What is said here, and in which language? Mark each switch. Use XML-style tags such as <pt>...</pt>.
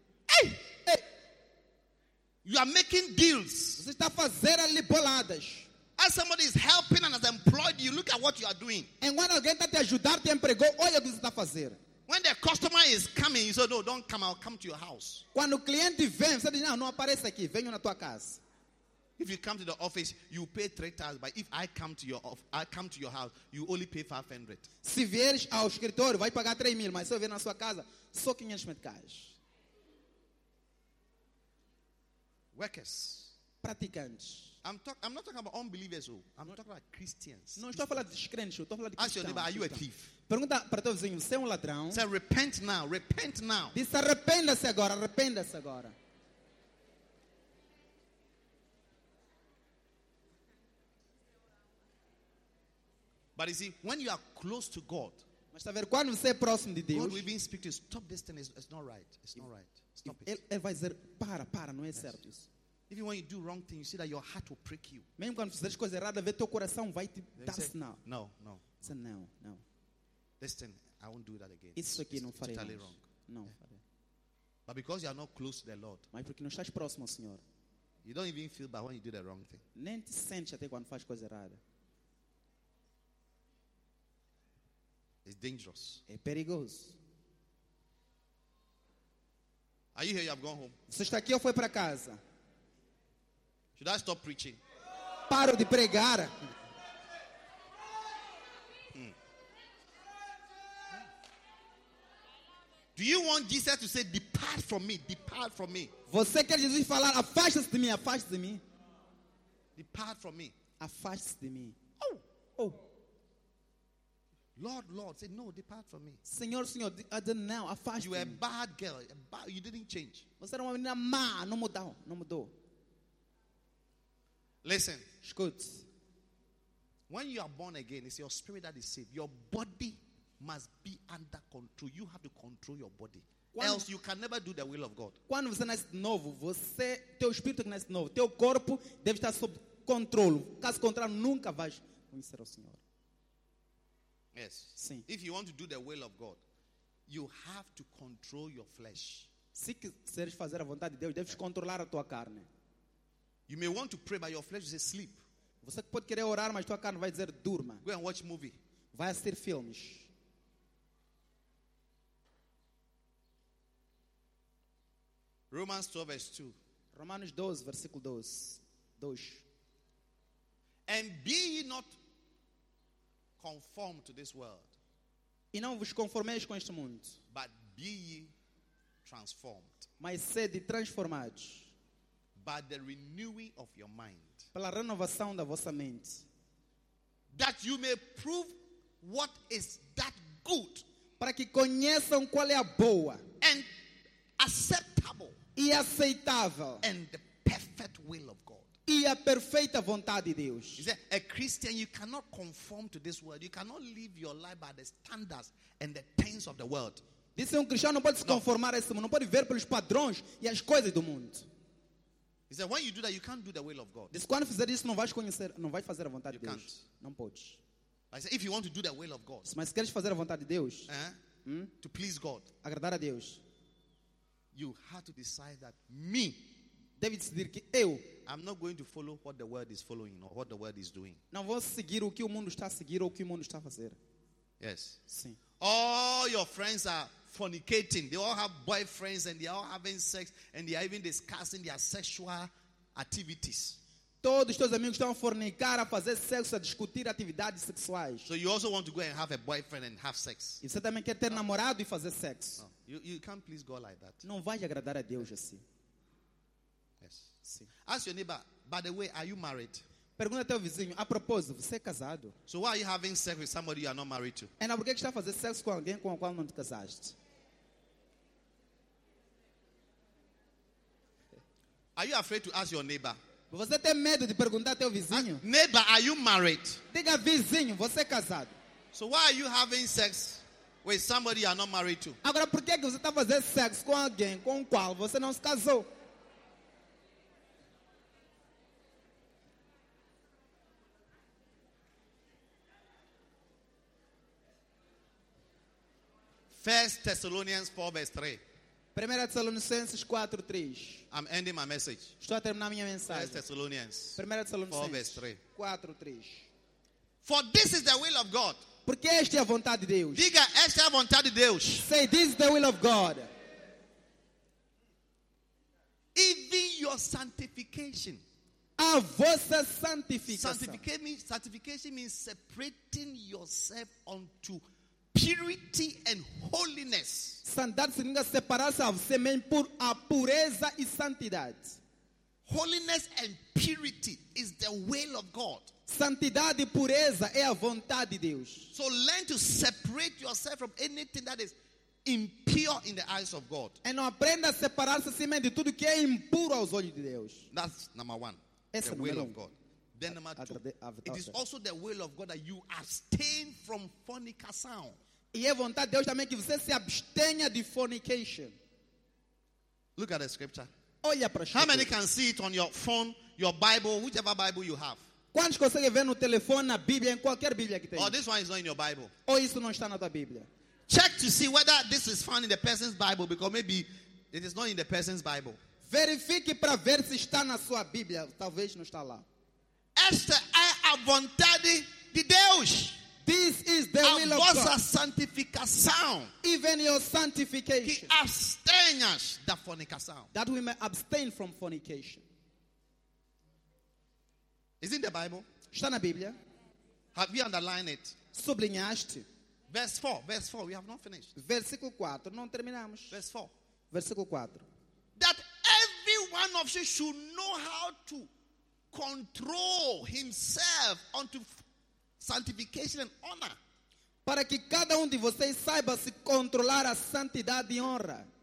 <en>Hey! Hey! You are making deals.</en> <pt>Você está fazendo ali boladas.</pt> <en>As somebody is helping and has employed you, look at what you are doing.</en> <pt>And quando alguém está te ajudar, te empregou, olha o que você está fazendo.</pt> <en>When the customer is coming, you say, no, don't come, I'll come to your house.</en> <pt>Quando o cliente vem, você diz, não apareça aqui, venho na tua casa.</pt> <en>If you come to the office, you pay 3,000. But if I come to your house, you only pay 500.</en> <pt>Se vieres ao escritório, vai pagar 3,000. Mas se eu vier na sua casa, só 500 metros.</pt> <en>Workers.</en> <pt>Praticantes.</pt> <en>I'm not talking about unbelievers. I'm talking about Christians.</en> <pt>Não estou a falar de descrentes. Estou a falar de cristãos.</pt> <en>Ask your neighbor, are you a thief?</en> <pt>Pergunta para teu vizinho, você é ladrão?</pt> <en>Say, repent now, repent now.</en> <pt>Diz, arrependa-se agora, arrependa-se agora.</pt> <en>But you see, when you are close to God,</en> <pt>mas ver, quando você é próximo de Deus,</pt> <en>God will even speak to you, stop this thing, it's not right. It's not right. Stop it.</en> <pt>Ele vai dizer, para, não é certo isso.</pt> <en>Even when you do wrong things, you see that your heart will prick you.</en> <pt>Mesmo quando fizeres coisa errada, vê teu coração vai te dar sinal.</pt> <en>No, no.</en> <pt>Isso não, não.</pt> <en>Listen, I won't do that again.</en> <pt>Isso aqui não farei.</pt> <en>Totally wrong.</en> <pt>Não.</pt> <en>But because you are not close to the Lord.</en> <pt>Mas porque não estás próximo ao Senhor.</pt> <en>You don't even feel bad when you do the wrong thing.</en> <pt>Nem te sentes até quando fazes coisa errada.</pt> <en>It's dangerous.</en> <pt>É perigoso.</pt> <en>Are you here? You have gone home.</en> <pt>Você está aqui ou foi para casa?</pt> <en>Should I stop preaching?</en> <pt>Paro de pregar.</pt> <en>Do you want Jesus to say, depart from me, depart from me?</en> <pt>Você quer Jesus falar, afaste-se de mim, afaste-se de mim.</pt> <en>Depart from me.</en> <pt>Afaste-se de mim. Oh, oh.</pt> <en>Lord, Lord, say no, depart from me.</en> <pt>Senhor, Senhor, now, afaste-se.</pt> <en>You were a bad girl, a bad, you didn't change.</en> <pt>Você era uma menina má, não mudou, não mudou.</pt> <en>Listen.</en> <pt>Escute.</pt> <en>When you are born again, it's your spirit that is saved. Your body must be under control. You have to control your body.</en> <pt>Quando,</pt> <en>else you can never do the will of God.</en> <pt>Quando você nasce de novo, você, teu espírito que nasce de novo, teu corpo deve estar sob controle. Caso contrário, nunca vais conhecer o Senhor.</pt> <en>Yes.</en> <pt>Sim.</pt> <en>If you want to do the will of God, you have to control your flesh.</en> <pt>Se quiseres fazer a vontade de Deus, deves controlar a tua carne.</pt> <en>You may want to pray, but your flesh is asleep.</en> <pt>Você pode querer orar, mas tua carne vai dizer durma.</pt> <en>Go and watch movie.</en> <pt>Vai assistir filmes.</pt> <en>Romans 12, verse 2.</en> <pt>Romanos 12, versículo 2.</pt> <en>And be ye not conformed to this world.</en> <pt>E não vos conformeis com este mundo.</pt> <en>But be ye transformed.</en> <pt>Mas sede transformados.</pt> <en>By the renewing of your mind.</en> <pt>Pela renovação da vossa mente.</pt> <en>That you may prove what is that good.</en> <pt>Para que conheçam qual é a boa.</pt> <en>And acceptable.</en> <pt>E aceitável.</pt> <en>And the perfect will of God.</en> <pt>E a perfeita vontade de Deus.</pt> <en>He said, a Christian, you cannot conform to this world. You cannot live your life by the standards and the things of the world.</en> <pt>Disse um cristão, não pode se conformar a esse mundo. Não pode ver pelos padrões e as coisas do mundo.</pt> <en>He said, when you do that, you can't do the will of God.</en> <pt>Disse, quando fizer isso, não vais conhecer, não vais fazer a vontade de Deus.</pt> <en>You can't.</en> <pt>Não pode.</pt> <en>I said, if you want to do the will of God.</en> <pt>Mas queres fazer a vontade de Deus.</pt> <en>To please God.</en> <pt>Agradar a Deus.</pt> <en>You have to decide that me.</en> <pt>Deve decidir que eu.</pt> <en>I'm not going to follow what the world is following or what the world is doing.</en> <pt>Não vou seguir o que o mundo está a seguir ou o que o mundo está a fazer.</pt> <en>Yes.</en> <pt>Sim.</pt> <en>All your friends are fornicating. They all have boyfriends and they are all having sex and they are even discussing their sexual activities.</en> <pt>Todos teus amigos estão a fornicar, a fazer sexo, a discutir atividades sexuais.</pt> <en>So you also want to go and have a boyfriend and have sex?</en> <pt>E você também quer ter namorado e fazer sexo?</pt> <en>No. You can't please God like that.</en> <pt>Não vai agradar a Deus assim.</pt> <en>Yes.</en> <pt>Sim.</pt> <en>Ask your neighbor, by the way, are you married?</en> <pt>Pergunta teu vizinho, a propósito, você é casado?</pt> <en>So why are you having sex with somebody you are not married to?</en> <pt>E por que está a fazer sexo com alguém com o qual não te casaste?</pt> <en>Are you afraid to ask your neighbor?</en> <pt>Você tem medo de perguntar ao teu vizinho?</pt> <en>Neighbor, are you married?</en> <pt>Diga vizinho, você é casado?</pt> <en>So why are you having sex with somebody you are not married to?</en> <pt>Agora por que você está fazendo sexo com alguém com o qual você não se casou?</pt> <en>First Thessalonians 4 verse 3. 1 Thessalonians 4, 3. I'm ending my message.</en> <pt>Estou a terminar minha mensagem.</pt> <en>1 Thessalonians 4, verse 3. 4, 3. For this is the will of God.</en> <pt>Porque esta é a vontade de Deus. Diga, esta é a vontade de Deus.</pt> <en>Say, this is the will of God. Even your sanctification.</en> <pt>A vossa santificação.</pt> <en>Sanctification means separating yourself unto purity and holiness.</en> <pt>Santidade significa separar-se a você mesmo por a pureza e santidade.</pt> <en>Holiness and purity is the will of God.</en> <pt>Santidade e pureza é a vontade de Deus.</pt> <en>So learn to separate yourself from anything that is impure in the eyes of God.</en> <pt>E não aprenda a separar-se a si mesmo de tudo que é impuro aos olhos de Deus.</pt> <en>That's number one.</en> <pt>Essa</pt> <en>the will of God. Then number two, it is also the will of God that you abstain from fornication.</en> <pt>E é vontade de Deus também que você se abstenha de fornication.</pt> <en>Look at the scripture.</en> <pt>Olha para</pt> <en>How many can see it on your phone, your Bible, whichever Bible you have?</en> <pt>Quantos conseguem ver no telefone, na Bíblia, em qualquer Bíblia que tem?</pt> <en>Oh, this one is not in your Bible.</en> <pt>Ou isso não está na tua Bíblia?</pt> <en>Check to see whether this is found in the person's Bible, because maybe it is not in the person's Bible.</en> <pt>Verifique para ver se está na sua Bíblia. Talvez não está lá. Esta é a vontade de Deus.</pt> <en>This is the will of God.</en> <pt>A vossa santificação.</pt> <en>Even your sanctification.</en> <pt>Que abstenhas da fornicação.</pt> <en>That we may abstain from fornication. Is it in the Bible?</en> <pt>Está na Bíblia.</pt> <en>Have you underlined it?</en> <pt>Sublinhaste.</pt> <en>Verse 4, we have not finished.</en> <pt>Versículo 4, não terminamos.</pt> <en>Verse 4.</en> <pt>Versículo 4.</pt> <en>That every one of you should know how to control himself unto sanctification and honor.</en> <pt>Para que cada de vocês saiba se controlar a santidade e honra.</pt>